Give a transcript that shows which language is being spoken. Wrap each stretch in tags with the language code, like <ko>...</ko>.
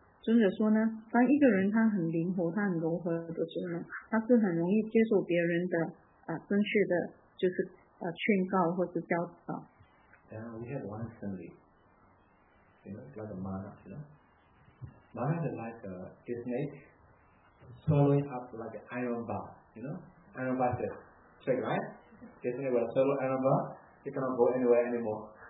<zh>这尊者说呢，当一个人他很灵活，他很柔和的时候呢，他是很容易接受别人的正确的，就是劝告或是教导。</zh> <en>Yeah, we have one simile, like a mana, you know. Mana is like a snake swallowing up like an iron bar, you know. Iron bar is a snake, right? The snake will swallow iron bar, it cannot go anywhere anymore.</en>